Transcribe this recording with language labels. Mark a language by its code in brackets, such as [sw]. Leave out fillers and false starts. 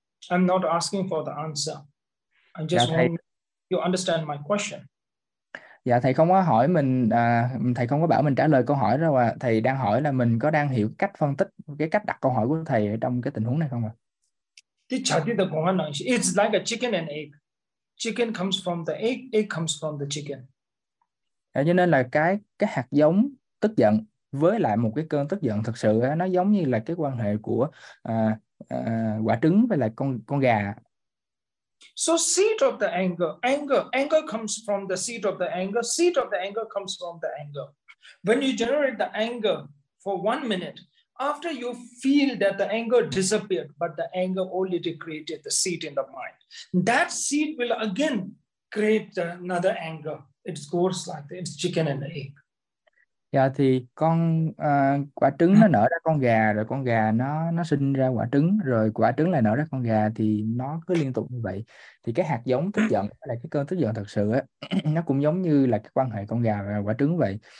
[en] I'm not asking for the answer. I [vi] Dạ [en] just [vi] thầy. [en] want you understand my question. [vi] Dạ thầy không có hỏi mình, thầy không có bảo mình trả lời câu hỏi đâu ạ. Thầy đang hỏi là mình có đang hiểu cách phân tích, cái cách đặt câu hỏi của thầy ở trong cái tình huống này không ạ? [en] It's like a chicken and egg. Chicken comes from the egg, egg comes from the [vi] Cho nên là cái hạt giống tức giận với lại một cái cơn tức giận thật sự nó giống như là cái quan hệ của quả trứng với lại con gà. [en] So seed of the anger, anger, anger comes from the seed of the anger, seed of the anger comes from the anger. When you generate the anger for 1 minute, after you feel that the anger disappeared, but the anger only created the seed in the mind, that seed will again create another anger. It goes like that. It's chicken and egg. [vi] Dạ thì con quả trứng nó nở ra con gà, rồi con gà nó sinh ra quả trứng, rồi quả trứng lại nở ra con gà, thì nó cứ liên tục như vậy. Thì cái hạt giống tức giận là cái cơn tức giận thật sự á, nó cũng giống như là cái quan hệ con gà và quả trứng vậy.